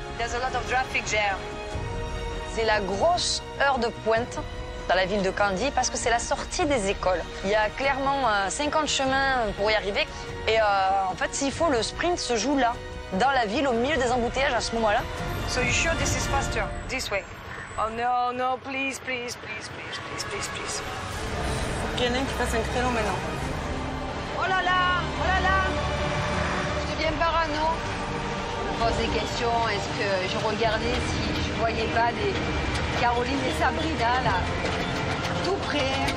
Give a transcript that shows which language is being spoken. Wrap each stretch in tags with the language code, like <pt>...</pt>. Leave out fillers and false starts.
<en>There's a lot of traffic there.</en> <fr>C'est la grosse heure de pointe dans la ville de Kandy, parce que c'est la sortie des écoles. Il y a clairement 50 chemins pour y arriver. Et en fait, s'il faut, le sprint se joue là, dans la ville, au milieu des embouteillages, à ce moment-là.</fr> <en>So you sure this is faster, this way? Oh no, no, please, please, please, please, please, please, please.</en> <fr>Faut qu'il y en ait qui fasse un créneau maintenant. Oh là là, oh là là! Je deviens parano. Je me pose des questions, est-ce que je regardais si je voyais pas des... Caroline et Sabrina, là, tout près.</fr>